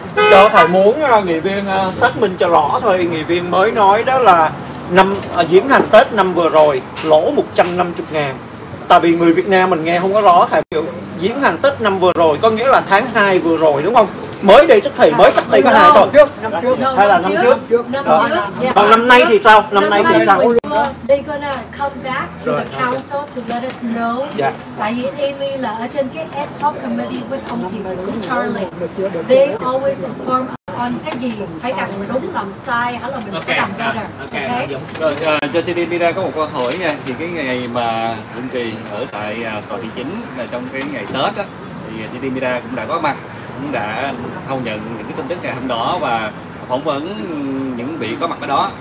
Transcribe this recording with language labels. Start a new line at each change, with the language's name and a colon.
Vietnamese: Cho thầy muốn nghị viên xác minh cho rõ thôi. Nghị viên mới nói đó là năm diễn hành Tết năm vừa rồi lỗ 150 ngàn, tại vì người Việt Nam mình nghe không có rõ, thầy hiểu diễn hành Tết năm vừa rồi có nghĩa là tháng 2 vừa rồi đúng không? mới đây tức thì mới cách đây có hai tuần trước hay là năm trước, năm trước. Còn năm nay thì sao, năm nay thì sao?
English: They're gonna come back to the council to let us know.
Vietnamese: Tại vì Amy là ở trên cái
English: ad hoc committee with
Vietnamese: ông chị Charlie.
English: They always inform on
Vietnamese: cái gì phải làm đúng làm sai hay là mình phải làm better.
English: Okay.
Vietnamese: Cho TDP ra có một câu hỏi nha, thì cái ngày mà Vĩnh Kỳ ở tại tòa thị chính là trong cái ngày Tết á, thì TDP ra cũng đã có mặt, cũng đã thông nhận những cái tin tức ngày hôm đó và phỏng vấn những vị có mặt ở đó.